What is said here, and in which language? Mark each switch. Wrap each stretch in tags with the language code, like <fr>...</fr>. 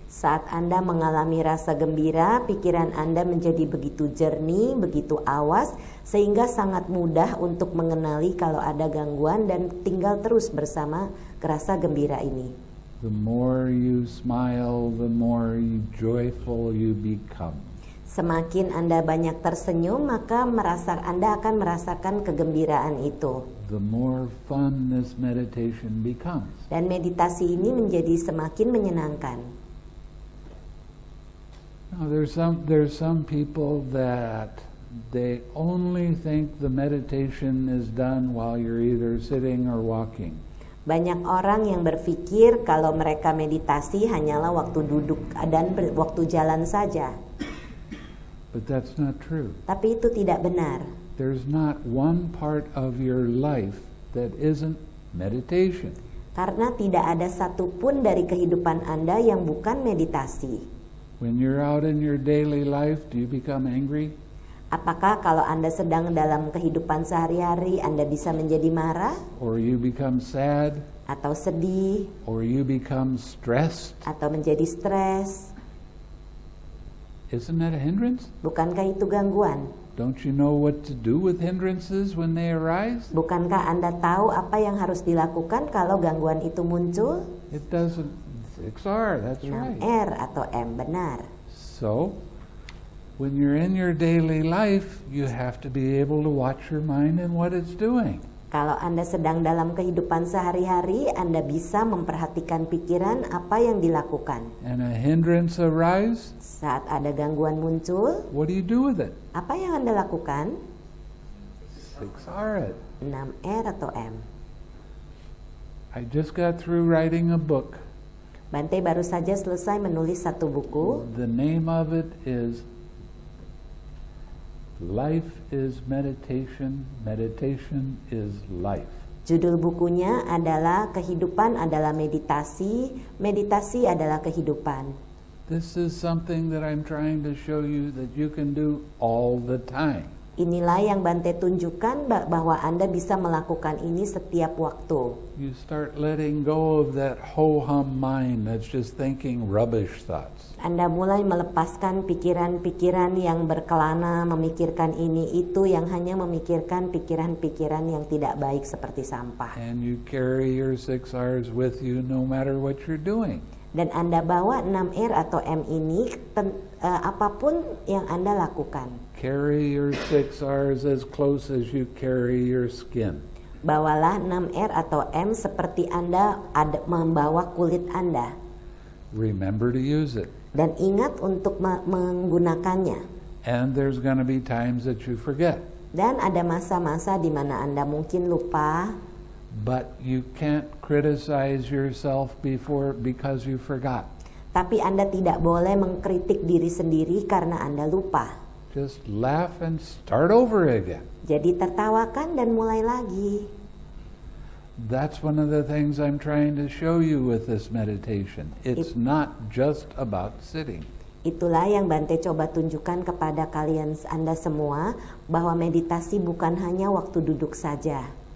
<id>Saat Anda mengalami rasa gembira, pikiran Anda menjadi begitu jernih, begitu awas, sehingga sangat mudah untuk mengenali kalau ada gangguan dan tinggal terus bersama rasa gembira ini.</id> <en>The more you smile, the more joyful you become.</en> <id>Semakin Anda banyak tersenyum, maka merasa Anda akan merasakan kegembiraan itu.</id> <en>The more fun this meditation becomes.</en> <id>Dan meditasi ini menjadi semakin menyenangkan.</id> <en>Now there's some people that they only think the meditation is done while you're either sitting or walking.</en> <id>Banyak orang yang berpikir kalau mereka meditasi hanyalah waktu duduk dan waktu jalan saja.</id> <en>But that's not true.</en> <id>Tapi itu tidak benar.</id> <en>There's not one part of your life that isn't meditation.</en> <id>Karena tidak ada satu pun dari kehidupan Anda yang bukan meditasi.</id> <en>When you're out in your daily life, do you become angry?</en> <id>Apakah kalau Anda sedang dalam kehidupan sehari-hari Anda bisa menjadi marah?</id> <en>Or you become sad?</en> <id>Atau sedih?</id> <en>Or you become stressed?</en> <id>Atau menjadi stres?</id> <en>Isn't that a hindrance?</en> <id>Bukankah itu gangguan?</id> <en>Don't you know what to do with hindrances when they arise?</en> <id>Bukankah Anda tahu apa yang harus dilakukan kalau gangguan itu muncul?</id> <en>It doesn't. It's R, that's right.</en> <id>R atau M, benar.</id> <en>So, when you're in your daily life, you have to be able to watch your mind and what it's doing.</en> <id>Kalau Anda sedang dalam kehidupan sehari-hari, Anda bisa memperhatikan pikiran apa yang dilakukan.</id> <en>And a hindrance arise.</en> <id>Saat ada gangguan muncul.</id> <en>What do you do with it?</en> <id>Apa yang Anda lakukan?</id> <en>6R.</en> <id>6R atau M.</id> <en>I just got through writing a book.</en> <id>Bante baru saja selesai menulis satu buku.</id> <en>The name of it is Life is Meditation, Meditation is Life.</en> <id>Judul bukunya adalah Kehidupan adalah Meditasi, Meditasi adalah Kehidupan.</id> <en>This is something that I'm trying to show you that you can do all the time.</en> <id>Inilah yang Bante tunjukkan bahwa Anda bisa melakukan ini setiap waktu.</id> <en>You start letting go of that ho-hum mind that's just thinking rubbish thoughts.</en> <id>Anda mulai melepaskan pikiran-pikiran yang berkelana, memikirkan ini itu, yang hanya memikirkan pikiran-pikiran yang tidak baik seperti sampah.</id> <en>And you carry your 6Rs with you no matter what you're doing.</en> <id>Dan Anda bawa 6R atau M ini apapun yang Anda lakukan.</id> <en>Carry your 6Rs as close as you carry your skin.</en> <id>Bawalah 6R atau M seperti Anda membawa kulit Anda.</id> <en>Remember to use it.</en> <id>Dan ingat untuk menggunakannya.</id> <en>And there's going to be times that you forget.</en> <id>Dan ada masa-masa di mana Anda mungkin lupa.</id> <en>But you can't criticize yourself before because you forgot.</en> <id>Tapi Anda tidak boleh mengkritik diri sendiri karena Anda lupa.</id> <en>Just laugh and start over again.</en> <id>Jadi tertawakan dan mulai lagi.</id> <en>That's one of the things I'm trying to show you with this meditation. It's not just about sitting.</en> <id>Itulah yang Bante coba tunjukkan kepada kalian Anda semua, bahwa meditasi bukan hanya waktu duduk saja.</id>